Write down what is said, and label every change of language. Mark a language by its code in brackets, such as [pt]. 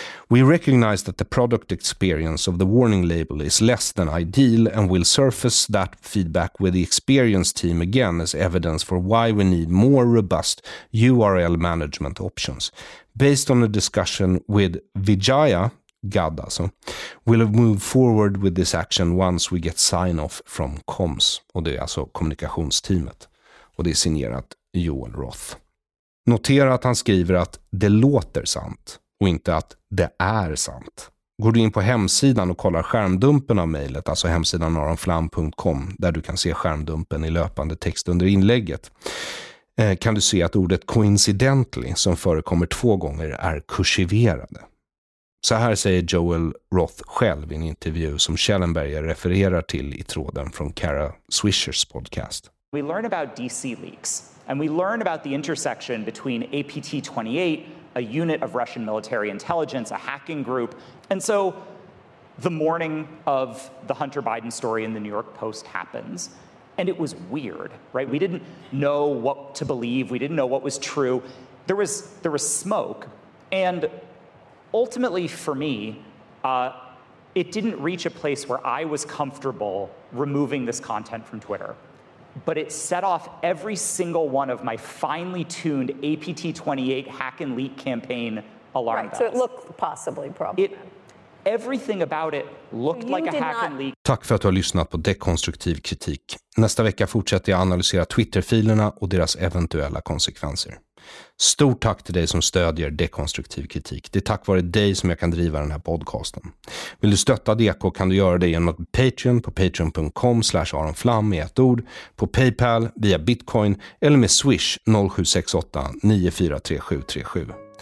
[en] We recognize that the product experience of the warning label is less than ideal and will surface that feedback with the experience team again as evidence for why we need more robust URL management options. Based on a discussion with Vijaya Gadda, so we'll have moved forward with this action once we get sign-off from comms. [sv] Och det är alltså kommunikationsteamet. Och det är signerat Joel Roth. Notera att han skriver att det låter sant och inte att det är sant. Går du in på hemsidan och kollar skärmdumpen av mejlet, alltså hemsidan aronflam.com, där du kan se skärmdumpen i löpande text under inlägget, kan du se att ordet coincidentally, som förekommer 2 gånger, är kursiverade. Så här säger Joel Roth själv i en intervju som Schellenberger refererar till i tråden från Kara Swisher's podcast. [en] We learn about DC leaks, and we learn about the intersection between APT-28, a unit of Russian military intelligence, a hacking group, and so the morning of the Hunter Biden story in the New York Post happens. And it was weird, right? We didn't know what to believe. We didn't know what was true. There was smoke. And ultimately, for me, it didn't reach a place where I was comfortable removing this content from Twitter. But it set off every single one of my finely tuned APT-28 hack and leak campaign alarm right, So it looked possibly problematic. Everything about it looked like a hack and leak. [sv] Tack för att du har lyssnat på dekonstruktiv kritik. Nästa vecka fortsätter jag analysera Twitter-filerna och deras eventuella konsekvenser. Stort tack till dig som stödjer dekonstruktiv kritik. Det är tack vare dig som jag kan driva den här podcasten. Vill du stötta Deko kan du göra det genom att Patreon på patreon.com/aronflam i ett ord, på PayPal, via Bitcoin eller med Swish 0768-943737.